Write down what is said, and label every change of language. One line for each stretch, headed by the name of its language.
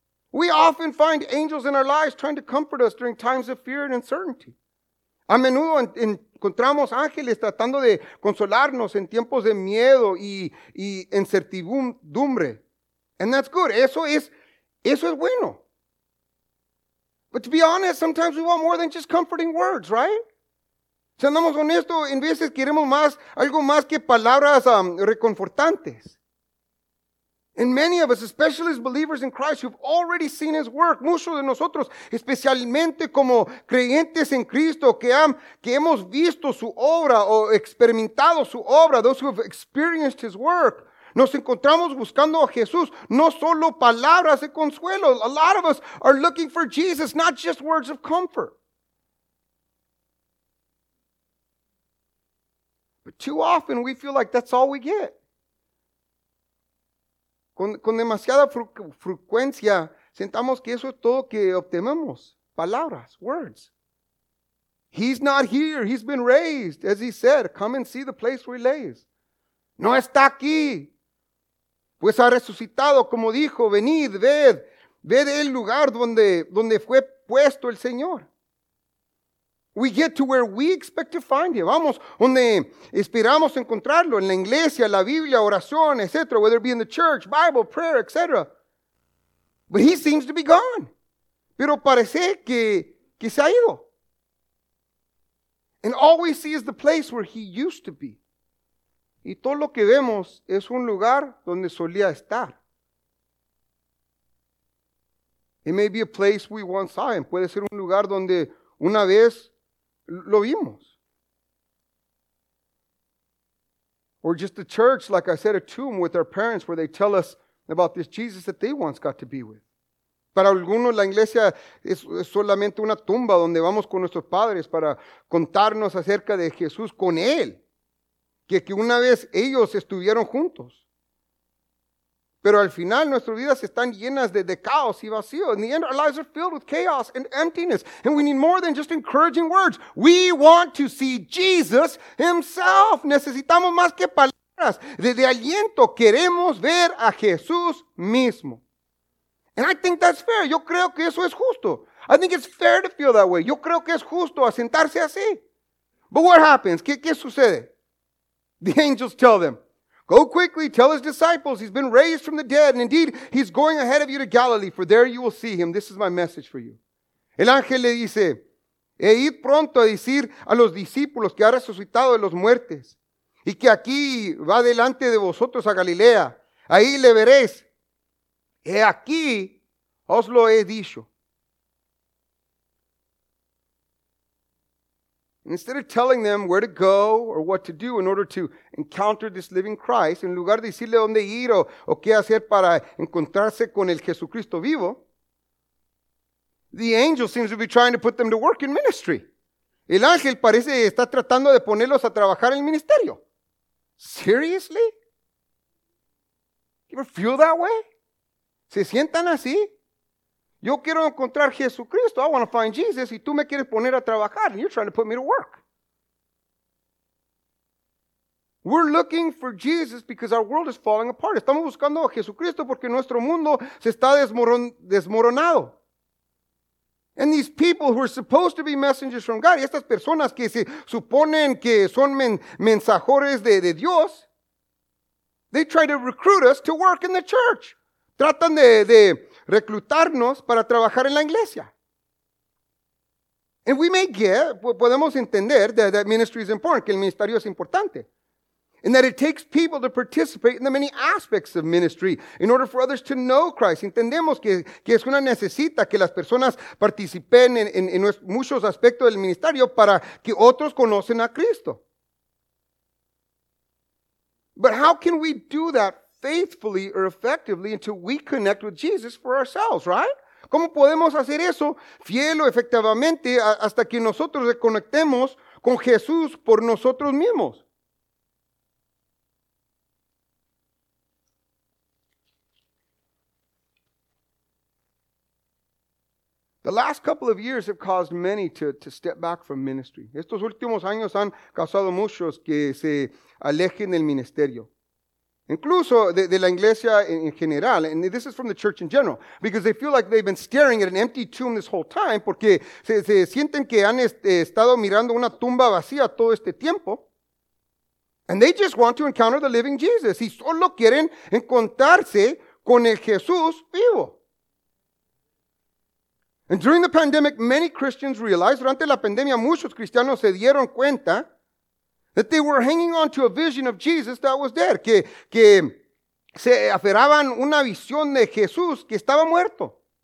English: We often find angels in our lives trying to comfort us during times of fear and uncertainty.
Spanish: A menudo encontramos ángeles tratando de consolarnos en tiempos de miedo y incertidumbre.
English: And that's good.
Spanish: Eso es bueno.
English: But to be honest, sometimes we want more than just comforting words, right?
Spanish: Si andamos honestos, en veces queremos más, algo más que palabras reconfortantes.
English: And many of us, especially as believers in Christ, who've already seen his work,
Spanish: muchos de nosotros, especialmente como creyentes en Cristo, que hemos visto su obra o experimentado su obra,
English: those who have experienced his work,
Spanish: nos encontramos buscando a Jesús, no solo palabras de consuelo.
English: A lot of us are looking for Jesus, not just words of comfort. But too often we feel like that's all we get.
Spanish: Con demasiada frecuencia, sentamos que eso es todo que obtenemos.
English: Palabras, words. He's not here, he's been raised. As he said, come and see the place where he lays.
Spanish: No está aquí. Pues ha resucitado, como dijo, venid, ved el lugar donde fue puesto el Señor.
English: We get to where we expect to find him.
Spanish: Vamos, donde esperamos encontrarlo, en la iglesia, la Biblia, oración, etc.
English: Whether it be in the church, Bible, prayer, etc. But he seems to be gone.
Spanish: Pero parece que se ha ido.
English: And all we see is the place where he used to be.
Spanish: Y todo lo que vemos es un lugar donde solía estar.
English: It may be a place we once saw him.
Spanish: Puede ser un lugar donde una vez lo vimos.
English: Or just the church, like I said, a tomb with our parents where they tell us about this Jesus that they once got to be with.
Spanish: Para algunos la iglesia es solamente una tumba donde vamos con nuestros padres para contarnos acerca de Jesús con él. Que una vez ellos estuvieron juntos. Pero al final nuestras vidas están llenas de caos y vacío.
English: In the end, our lives are filled with chaos and emptiness. And we need more than just encouraging words. We want to see Jesus himself.
Spanish: Necesitamos más que palabras. De aliento, queremos ver a Jesús mismo.
English: And I think that's fair.
Spanish: Yo creo que eso es justo.
English: I think it's fair to feel that way.
Spanish: Yo creo que es justo asentarse así.
English: But what happens?
Spanish: ¿Qué sucede?
English: The angels tell them, go quickly, tell his disciples, he's been raised from the dead, and indeed, he's going ahead of you to Galilee, for there you will see him. This is my message for you.
Spanish: El ángel le dice, e id pronto a decir a los discípulos que ha resucitado de los muertos, y que aquí va delante de vosotros a Galilea. Ahí le veréis. He aquí os lo he dicho.
English: Instead of telling them where to go or what to do in order to encounter this living Christ,
Spanish: en lugar de decirle dónde ir o qué hacer para encontrarse con el Jesucristo vivo,
English: the angel seems to be trying to put them to work in ministry.
Spanish: El ángel parece estar tratando de ponerlos a trabajar en el ministerio.
English: Seriously? You ever feel that way?
Spanish: ¿Se sientan así? Yo quiero encontrar Jesucristo.
English: I want to find Jesus.
Spanish: Y tú me quieres poner a trabajar.
English: And you're trying to put me to work. We're looking for Jesus because our world is falling apart.
Spanish: Estamos buscando a Jesucristo porque nuestro mundo se está desmoronado.
English: And these people who are supposed to be messengers from God,
Spanish: y estas personas que se suponen que son mensajeros de Dios,
English: they try to recruit us to work in the church.
Spanish: Tratan de reclutarnos para trabajar en la iglesia.
English: And we may get,
Spanish: podemos entender
English: that ministry is important,
Spanish: que el ministerio es importante.
English: And that it takes people to participate in the many aspects of ministry in order for others to know Christ.
Spanish: Entendemos que es una necesita que las personas participen en muchos aspectos del ministerio para que otros conocen a Cristo.
English: But how can we do that faithfully or effectively until we connect with Jesus for ourselves, right?
Spanish: ¿Cómo podemos hacer eso fiel o efectivamente hasta que nosotros reconectemos con Jesús por nosotros mismos?
English: The last couple of years have caused many to step back from ministry.
Spanish: Estos últimos años han causado muchos que se alejen del ministerio. Incluso de la iglesia en general,
English: and this is from the church in general, because they feel like they've been staring at an empty tomb this whole time,
Spanish: porque se sienten que han estado mirando una tumba vacía todo este tiempo,
English: and they just want to encounter the living Jesus,
Spanish: y solo quieren encontrarse con el Jesús vivo.
English: And during the pandemic, many Christians realized,
Spanish: durante la pandemia muchos cristianos se dieron cuenta
English: that they were hanging on to a vision of Jesus that was dead.
Spanish: Que se aferraban una visión de Jesús que estaba muerto.